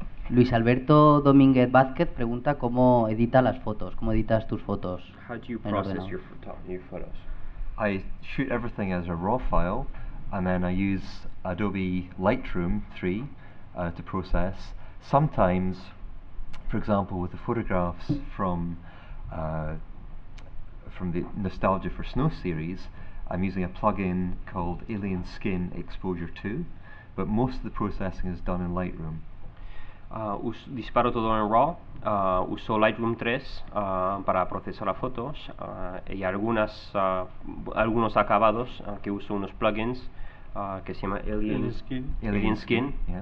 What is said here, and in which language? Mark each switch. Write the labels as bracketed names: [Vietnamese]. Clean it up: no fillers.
[Spanish] Luis Alberto Domínguez Vázquez pregunta cómo edita las fotos, cómo editas tus fotos. [English] How do you process your photos? I shoot everything as a raw file and then I use Adobe Lightroom 3 to process. Sometimes, for example, with the photographs from the Nostalgia for Snow series, I'm using a plugin called Alien Skin Exposure 2, but most of the processing is done in Lightroom. [Spanish] Disparo todo en RAW, uso Lightroom 3 para procesar las fotos y algunos acabados que uso unos plugins que se llama Alien Skin.